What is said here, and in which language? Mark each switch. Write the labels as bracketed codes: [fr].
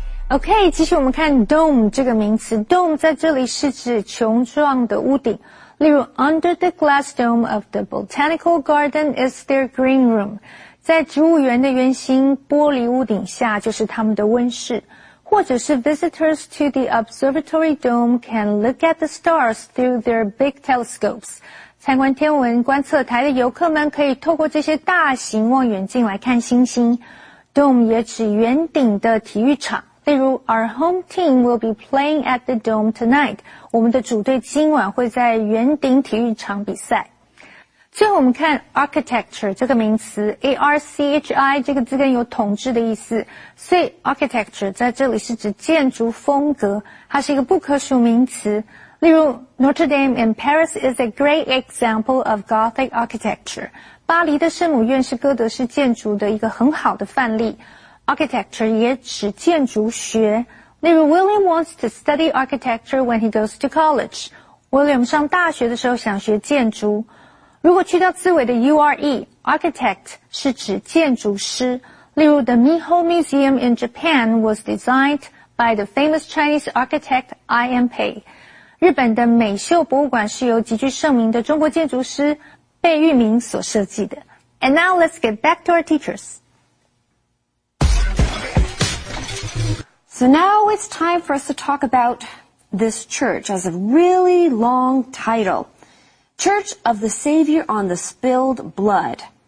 [zh] OK, 其实我们看 dome 这个名词 ,dome 在这里是指穹状的屋顶。例如 [en] ,under the glass dome of the botanical garden is their green room. [zh] 在植物园的圆形玻璃屋顶下就是他们的温室。或者是 [en] visitors to the observatory dome can look at the stars through their big telescopes. [zh] 参观天文观测台的游客们可以透过这些大型望远镜来看星星。 dome 也指圆顶的体育场。例如 [en] ,our home team will be playing at the dome tonight. [zh] 我们的主队今晚会在圆顶体育场比赛。最后我们看 architecture 这个名词 ,A-R-C-H-I 这个字根有统治的意思。所以 architecture 在这里是指建筑风格，它是一个不可数名词。例如 [en] ,Notre Dame in Paris is a great example of Gothic architecture. [zh] 巴黎的圣母院是哥德式建筑的一个很好的范例。Architecture 也指建筑学，例如 [en] William wants to study architecture when he goes to college. [zh] William 上大学的时候想学建筑。如果去掉字尾的 U-R-E, architect 是指建筑师。 [en] 例如 the Miho Museum in Japan was designed by the famous Chinese architect I.M. Pei. [zh] 日本的美秀博物馆是由极具盛名的中国建筑师贝聿铭所设计的。 [en] And now let's get back to our teachers. So now it's time for us to talk about this church as a really long title. Church of the Savior on the Spilled Blood.